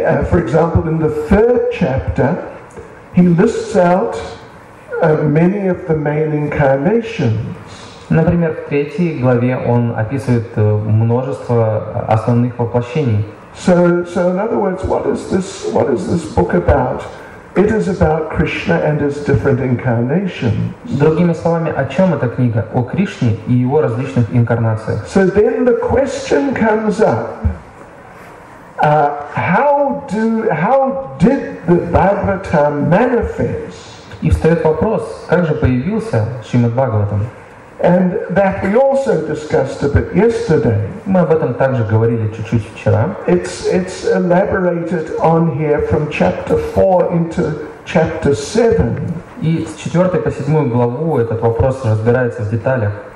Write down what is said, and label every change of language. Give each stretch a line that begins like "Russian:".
English: For example, in the third chapter, he lists out many of the main incarnations.
Russian: Например, в третьей главе он описывает множество основных воплощений.
English: So in other words, what is this book about? It is about Krishna and his different incarnations.
Russian: Другими словами, о чем эта книга? О Кришне и его различных инкарнациях.
English: So then the question comes up: how did the Bhagavatam manifest?
Russian: И встает вопрос: как же появился Шримад Бхагаватам?
English: And that we also discussed a bit yesterday.
Russian: Мы об этом также говорили чуть-чуть вчера.
English: It's elaborated on here from chapter 4 into chapter 7.
Russian: И с 4 по 7 главу этот вопрос разбирается в деталях.